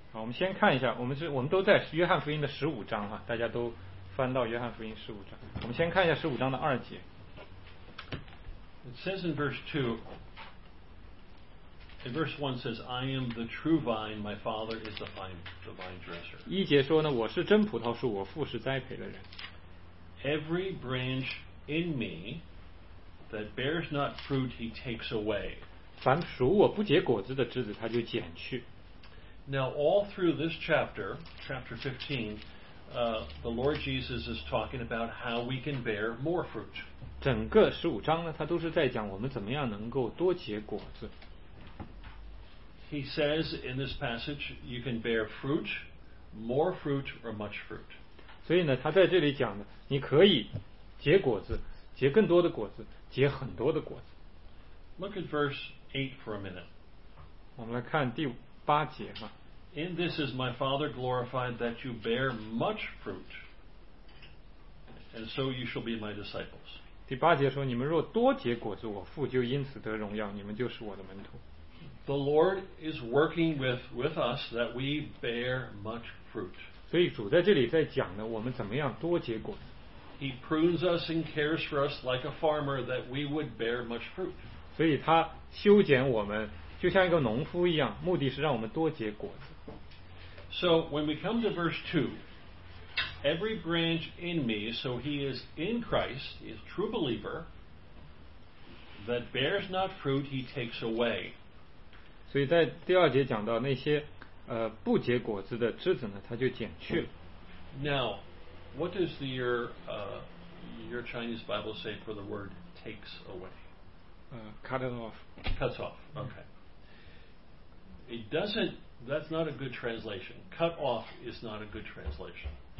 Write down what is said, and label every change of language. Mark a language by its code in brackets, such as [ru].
[zh] 好，我们先看一下，我们都在约翰福音的十五章哈，大家都翻到约翰福音十五章。我们先看一下十五章的二节。 [en] It says in verse 2, verse 1 says, I am the true vine, my father is the vine dresser. [zh] 一节说呢，我是真葡萄树，我父是栽培的人。 [en] Every branch in me that bears not fruit, he takes away. [zh] 凡属我不结果子的枝子，他就剪去。 [en] Now, all through this chapter, chapter 15, the Lord Jesus is talking about how we can bear more fruit. [zh] 整个十五章呢，他都是在讲我们怎么样能够多结果子。 [en] He says in this passage, you can bear fruit, more fruit, or much fruit. [zh] 所以呢，他在这里讲的，你可以结果子，结更多的果子，结很多的果子。 [en] Look at verse 8 for a minute. [zh] 我们来看第五。八节嘛。 [en] In this is my Father glorified that you bear much fruit, and so you shall be my disciples. [zh] 第八节说，你们若多结果子，我父就因此得荣耀，你们就是我的门徒。 [en] The Lord is working with us that we bear much fruit. [zh] 所以主在这里在讲呢，我们怎么样多结果子。 [en] He prunes us and cares for us like a farmer that we would bear much fruit. [zh] 所以他修剪我们。就像一个农夫一样，目的是让我们多结果子。 [en] So when we come to verse 2, every branch in me, so he is in Christ, is true believer, that bears not fruit, he takes away. [zh] 所以在第二节讲到那些不结果子的枝子呢，他就剪去了。 [en] Now, what does your Chinese Bible say for the word takes away? Cut it off. Cuts off, okay. It doesn't, that's not a good translation. Cut off is not a good translation.